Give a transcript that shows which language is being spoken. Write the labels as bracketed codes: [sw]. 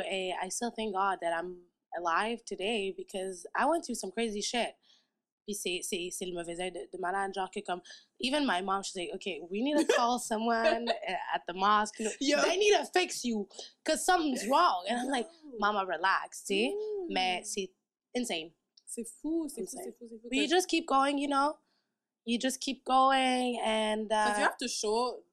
[en] Et I still thank God that I'm alive today because I went through some crazy shit. [fr] Puis c'est le mauvais œil de malade, genre que comme... [en] Even my mom, she's like, okay, we need to call someone at the mosque. You know, they need to fix you because something's wrong. And I'm like, mama, relax, [fr] tu sais? Mais c'est insane. C'est fou. [en] But you just keep going, you know? You just keep going and... Because you have to show...